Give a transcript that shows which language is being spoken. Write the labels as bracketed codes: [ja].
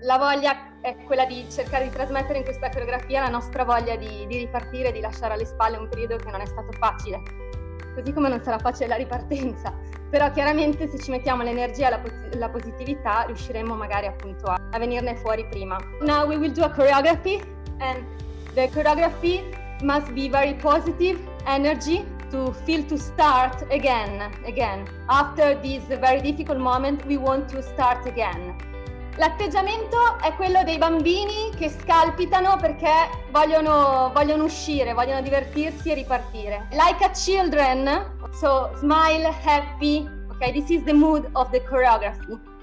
[it] La voglia è quella di cercare di trasmettere in questa coreografia la nostra voglia di ripartire, di lasciare alle spalle un periodo che non è stato facile, così come non sarà facile la ripartenza. Però chiaramente se ci mettiamo l'energia e la positività, riusciremo magari appunto a venirne fuori prima. [en] Now we will do a choreography, and the choreography must be very positive energy to feel to start again. After this very difficult moment, we want to start again. [it] L'atteggiamento è quello dei bambini che scalpitano perché vogliono uscire, vogliono divertirsi e ripartire. [en] Like a children, so smile, happy, okay, this is the mood of the choreography.